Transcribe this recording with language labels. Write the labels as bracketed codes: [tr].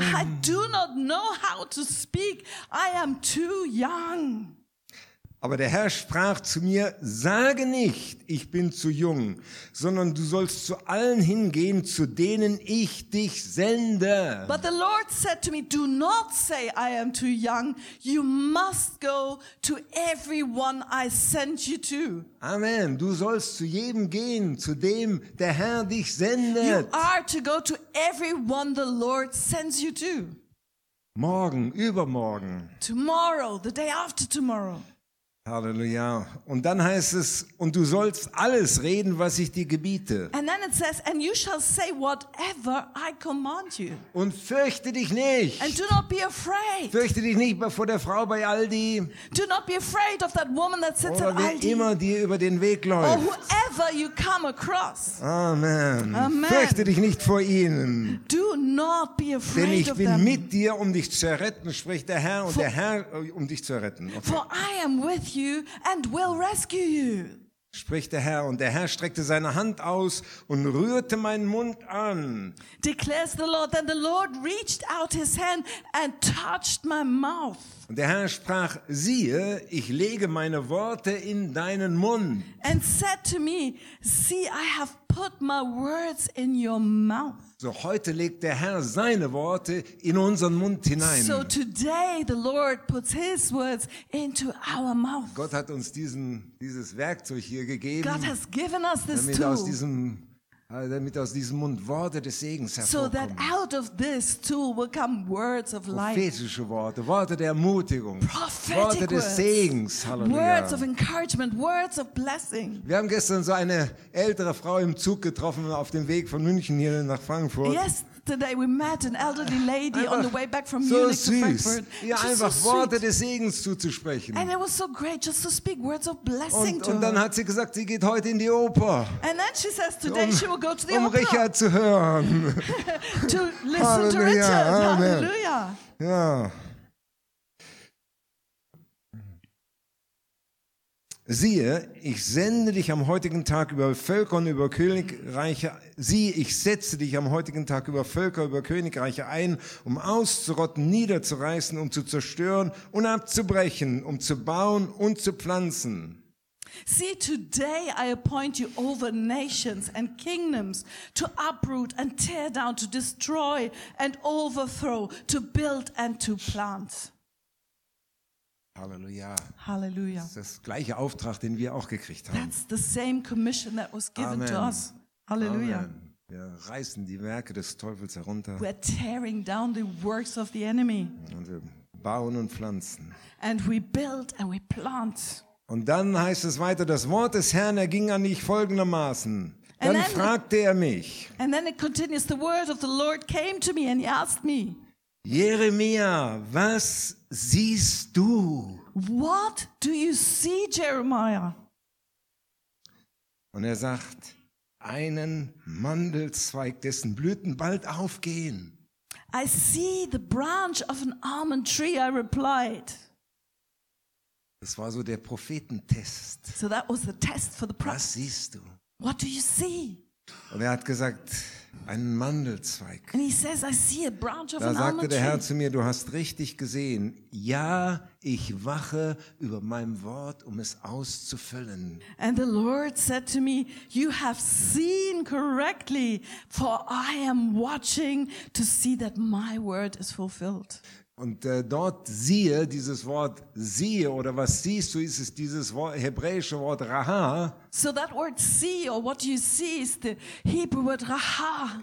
[en] I do not know how to speak. I am too young. [de] Aber der Herr sprach zu mir, sage nicht, ich bin zu jung, sondern du sollst zu allen hingehen, zu denen ich dich sende. [en] But the Lord said to me, do not say, I am too young, you must go to everyone I send you to. [de] Amen, du sollst zu jedem gehen, zu dem der Herr dich sendet. [en] You are to go to everyone the Lord sends you to. [de] Morgen, übermorgen. [en] Tomorrow, the day after tomorrow. [de] Halleluja. Und dann heißt es, und du sollst alles reden, was ich dir gebiete. [en] And then it says, and you shall say whatever I command you. [de] Und fürchte dich nicht. [en] And do not be afraid. [de] Fürchte dich nicht vor der Frau bei Aldi. [en] Do not be afraid of that woman that sits [de] oder [en] at Aldi. [de] Oder wer immer dir über den Weg läuft. [en] Or whoever you come across. Amen. Amen. [de] Fürchte dich nicht vor ihnen. [en] Do not be afraid of them. [de] Denn ich bin mit dir, um dich zu retten, spricht der Herr, und der Herr, um dich zu retten. [en] Okay. For I am with you and will rescue you. [de] Spricht der Herr, und der Herr streckte seine Hand aus und rührte meinen Mund an. [en] Declares the Lord, then the Lord reached out his hand and touched my mouth. [de] Und der Herr sprach, siehe, ich lege meine Worte in deinen Mund. [en] And said to me, see, I have put my words in your mouth. [de] So heute legt der Herr seine Worte in unseren Mund hinein. [en] So today the Lord puts his words into our mouth. [de] Gott hat uns dieses Werkzeug hier gegeben. [en] God has given us this tool. [de] Damit aus diesem Mund Worte des Segens hervorkommen. [en] So that out of this tool will come words of life. [de] Prophetische Worte, Worte der Ermutigung, Worte des Segens, Halleluja. [en] Words of encouragement, words of blessing. [de] Wir haben gestern so eine ältere Frau im Zug getroffen auf dem Weg von München hier nach Frankfurt. [en] Yesterday we met an elderly lady on the way back from Munich to Frankfurt. [de] Ihr einfach Worte des Segens zuzusprechen. [en] And it was so great just to speak words of blessing to her. [de] Und dann hat sie gesagt, sie geht heute in die Oper. [en] And then she says today she will go to the opera. [de] Um Richard zu hören. [en] To listen Halleluja. To Richard. Amen. [de] Halleluja. Ja. Siehe, ich sende dich am heutigen Tag über Völker und über Königreiche. Siehe, ich setze dich am heutigen Tag über Völker, über Königreiche ein, um auszurotten, niederzureißen, um zu zerstören und abzubrechen, um zu bauen und zu pflanzen. [en] See, today I appoint you over nations and kingdoms to uproot and tear down, to destroy and overthrow, to build and to plant. [de] Halleluja. Halleluja. Das ist das gleiche Auftrag, den wir auch gekriegt haben. [en] That's the same commission that was given Amen. To us. Halleluja. [de] Amen. Wir reißen die Werke des Teufels herunter. [en] We're tearing down the works of the enemy. [de] Und wir bauen und pflanzen. [en] And we build and we plant. [de] Und dann heißt es weiter, das Wort des Herrn erging an mich folgendermaßen. Dann fragte er mich. [en] And then it continues, the word of the Lord came to me and he asked me. [de] Jeremia, was siehst du? [en] What do you see, Jeremiah? [de] Und er sagt, einen Mandelzweig, dessen Blüten bald aufgehen. [en] I see the branch of an almond tree, I replied. [de] Das war so der Prophetentest. [en] So that was the test for the prophet. [de] Was siehst du? [en] What do you see? [de] Und er hat gesagt, einen Mandelzweig. [en] And he says, I see a branch of [de] da sagte der Herr zu mir, du hast richtig gesehen. Ja, ich wache über meinem Wort, um es auszufüllen. [en] And the Lord said to me, you have seen correctly, for I am watching to see that my word is fulfilled. [de] Und dort siehe, dieses Wort siehe oder was siehst du, ist es dieses Wort, hebräische Wort raha. [en] So that word see or what you see is the Hebrew word raha.